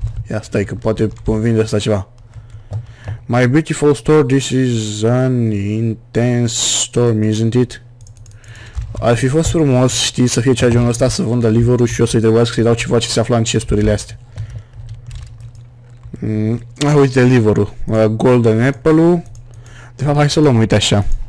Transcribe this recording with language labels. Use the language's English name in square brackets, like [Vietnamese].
[Romanian] Ia stai că poate îmi vinde asta ceva. [English] My beautiful store, this is an intense storm, isn't it? [Romanian] Ar fi fost frumos, știi, să fie cea genul ăsta, să vândă liver-ul și o să-i trebuiască să-i dau ceva ce se afla în chesturile astea. Uite liver-ul, golden apple-ul. De fapt, hai să luăm, uite așa.